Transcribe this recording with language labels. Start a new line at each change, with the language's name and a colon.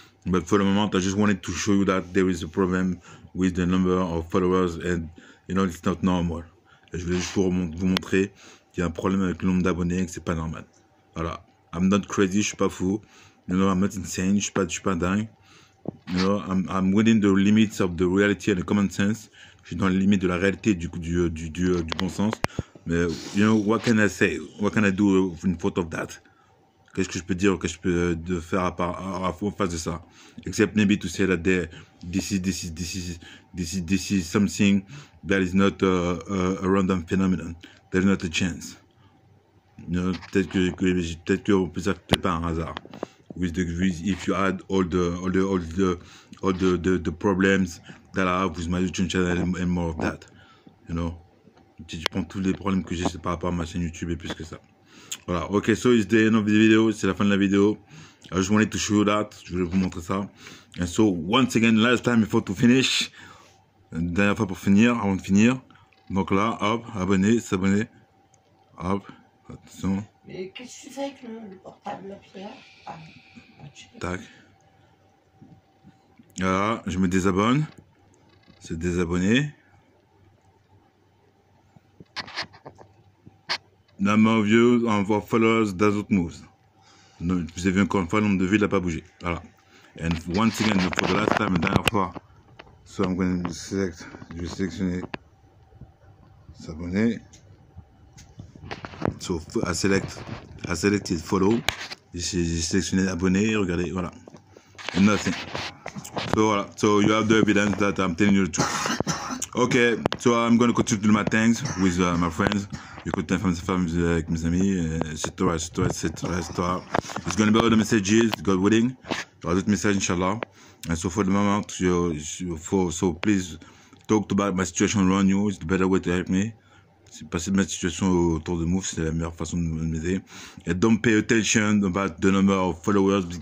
English: But for the moment, I just wanted to show you that there is a problem with the number of followers and you know it's not normal.
French: Et je voulais juste vous montrer qu'il y a un problème avec le nombre d'abonnés et que c'est pas normal. Voilà.
English: I'm not crazy,
French: je suis pas fou.
English: You know, I'm not insane,
French: je suis pas dingue.
English: You know, I'm within the limits of the reality and the common sense.
French: Je suis dans les limites de la réalité du bon sens.
English: Mais, you know, what can I say? What can I do in front of that?
French: Qu'est-ce que je peux dire? Qu'est-ce que je peux de faire à en face de ça?
English: Except maybe to say that this is something that is not a random phenomenon. There is not a chance.
French: Peut-être qu'on peut dire que c'est pas un hasard.
English: If you add all the problems that I have with my YouTube channel and more of that, you know,
French: si tu prends tous les problèmes que j'ai par rapport à ma chaîne YouTube et plus que ça. Voilà.
English: Ok, so it's the end of the video.
French: C'est la fin de la vidéo.
English: I just wanted to show you that.
French: Je voulais vous montrer ça.
English: And so once again, last time before to finish,
French: Dernière fois pour finir, avant de finir. Donc là, hop, abonner, s'abonner. Hop, attention. Mais qu'est-ce que tu fais avec le portable là, Pierre? Ah, tu peux. Tac. Là, je me désabonne. C'est désabonner.
English: Number of views and followers does not move.
French: Vous avez vu encore une fois, le nombre de vues n'a pas bougé.
English: Voilà. And once again, for the last time,
French: la dernière fois.
English: So I'm going to select,
French: je vais sélectionner s'abonner.
English: So I selected follow.
French: J'ai sélectionné abonner, regardez, voilà.
English: And nothing. So voilà. So you have the evidence that I'm telling you the truth. Okay, so I'm going to continue to do my things with my friends.
French: Écoutez, femme, c'est femme, avec mes amis, etc., etc., etc.
English: It's going to be all the messages, God willing.
French: Il y aura d'autres messages, Inch'Allah.
English: And so for the moment, so please talk about my situation around you. It's the better way to help me.
French: C'est passer de ma situation autour de Move, c'est la meilleure façon de m'aider.
English: And don't pay attention about the number of followers.